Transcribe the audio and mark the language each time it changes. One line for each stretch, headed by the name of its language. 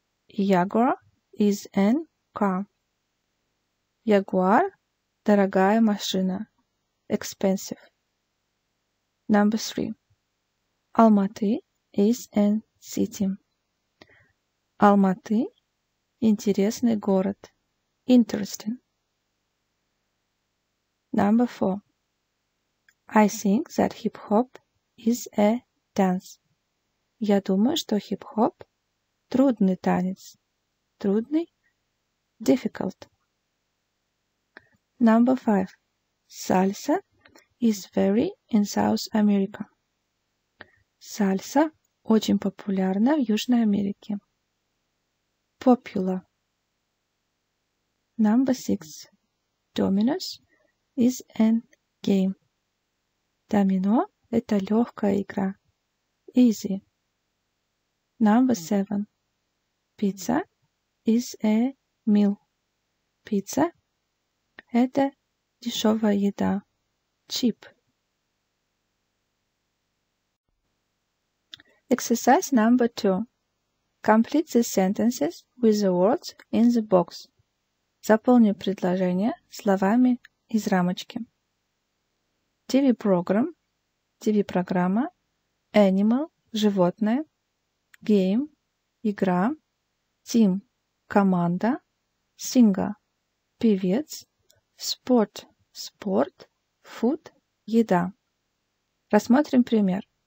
English: Jaguar is an car.
Russian: Ягуар – дорогая машина.
English: Expensive. Number three. Алматы is an city.
Russian: Алматы – интересный город.
English: Interesting. Number four. I think that hip-hop is a dance.
Russian: Я думаю, что хип-хоп – трудный танец.
English: Трудный – difficult. Number five. Salsa is very in South America.
Russian: Сальса очень популярна в Южной Америке.
English: Popular. Number six. Dominoes is a game.
Russian: Домино – это легкая игра.
English: Easy. Number seven. Pizza is a meal. Pizza –
Russian: это дешевая еда.
English: Cheap. Exercise number two. Complete the sentences with the words in the box.
Russian: Заполни предложение словами из рамочки. TV program, TV-программа, animal, животное, game, игра, team, команда, singer, певец, sport, спорт, food, еда. Рассмотрим пример.